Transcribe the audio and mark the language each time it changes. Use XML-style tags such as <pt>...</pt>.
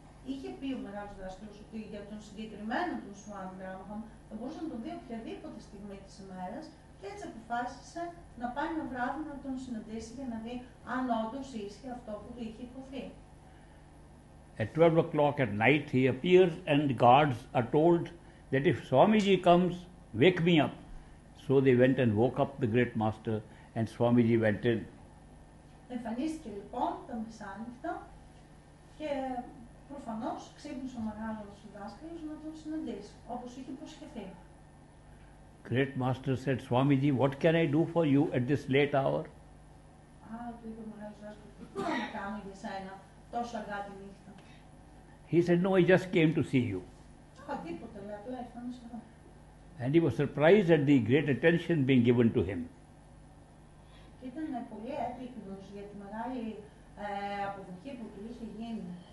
<el>Είχε πει ο μεγάλος δάσκαλος ότι για τον συγκεκριμένο του Σουάμι Μπράμχαμ θα μπορούσε να τον δει οποιαδήποτε στιγμή της ημέρας και έτσι αποφάσισε να πάει ένα βράδυ να τον συναντήσει για να δει αν όντως ίσχυε αυτό που του είχε υποθεί.</el> <en>At 12 o'clock at night he appears and the guards are told that if Swamiji comes, wake me up. So they went and woke up the great master and Swamiji went in.</en> <el>Εμφανίστηκε λοιπόν τα μεσάνυχτα και προφανώς ξύπνησε ο μεγάλος δάσκαλος να τον συναντήσει, όπως είχε υποσχεθεί.</el> <en>Great Master said, Swamiji, what can I do for you at this late hour?</en> <el>Του είπε ο μεγάλος δάσκαλος, τι μπορώ να κάνω για σένα τόσο αργά τη νύχτα.</el> <en>He said, no, I just came to see you.</en> <el>Τίποτα, λέει, απλά ήρθα να σε δω.</el> <en>And he was surprised at the great attention being given to him.</en> <el>Και ήταν πολύ έπληκτος για τη μεγάλη αποδοχή που του είχε γίνει.</el>